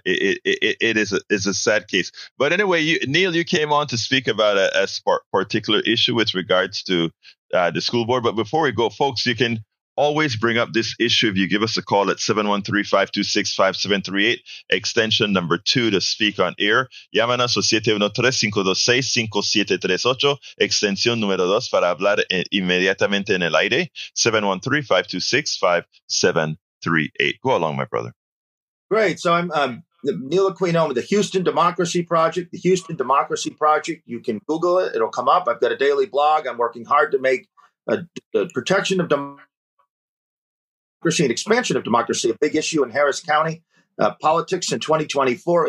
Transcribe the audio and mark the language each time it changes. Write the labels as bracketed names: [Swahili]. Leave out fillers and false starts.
[English] It is a sad case. But anyway, Neil, you came on to speak about a particular issue with regards to the school board. But before we go, folks, you can always bring up this issue if you give us a call at 713-526-5738, extension number 2 to speak on air. [Spanish] Llaman a 713-526-5738, extension número 2 para hablar inmediatamente en el aire, 713-526-5738. [English] Go along, my brother. Great. So I'm Neil Aquino with the Houston Democracy Project. The Houston Democracy Project, you can Google it. It'll come up. I've got a daily blog. I'm working hard to make the protection of democracy and expansion of democracy a big issue in Harris County politics in 2024.